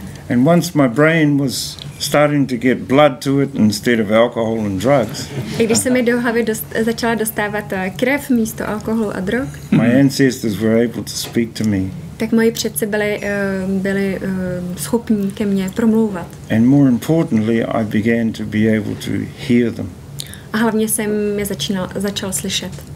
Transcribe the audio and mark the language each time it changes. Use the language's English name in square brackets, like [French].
[English] And once my brain was starting to get blood to it instead of alcohol and drugs. [Czech] A když se mi do hlavy začala dostávat krev místo alkoholu a drog. [English] My ancestors were able to speak to me. [Czech] Tak moji předci byli schopní ke mně promlouvat. [English] And more importantly, I began to be able to hear them. [Czech] A hlavně jsem je začal slyšet.